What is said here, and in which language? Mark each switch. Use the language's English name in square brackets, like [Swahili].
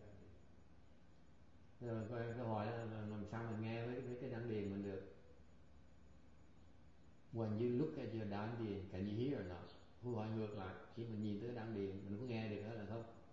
[Vietnamese] language? Rồi câu hỏi là làm sao mình nghe với cái đan điền mình được? [English] When you look at your đan điền, can you hear or not? [Vietnamese] Câu hỏi ngược lại, khi mình nhìn tới đan điền, mình có nghe được hết là không?